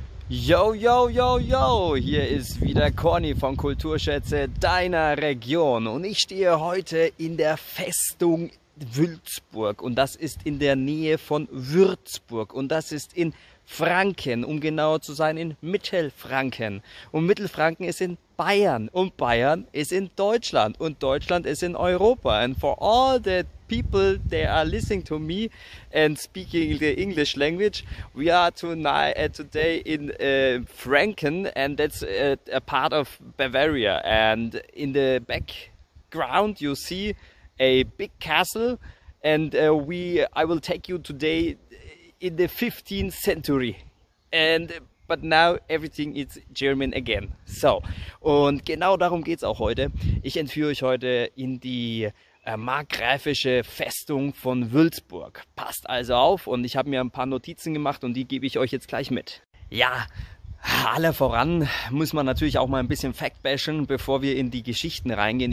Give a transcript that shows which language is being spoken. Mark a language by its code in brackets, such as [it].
[de] Yo, yo, yo, yo, hier ist wieder Corny von Kulturschätze deiner Region und ich stehe heute in der Festung Würzburg und das ist in der Nähe von Würzburg und das ist in Franken, um genauer zu sein, in Mittelfranken. Und Mittelfranken ist in Bayern und Bayern ist in Deutschland und Deutschland ist in Europa. [en] And for all the people that are listening to me and speaking the English language, we are tonight, today in Franken, and that's a part of Bavaria. And in the background, you see a big castle, and I will take you today in the 15th century. But now everything is German again. [de] So, und genau darum geht es auch heute. Ich entführe euch heute in die markgräfische Festung von Würzburg. Passt also auf, und ich habe mir ein paar Notizen gemacht und die gebe ich euch jetzt gleich mit. Ja, alle voran muss man natürlich auch mal ein bisschen factbashen, bevor wir in die Geschichten reingehen.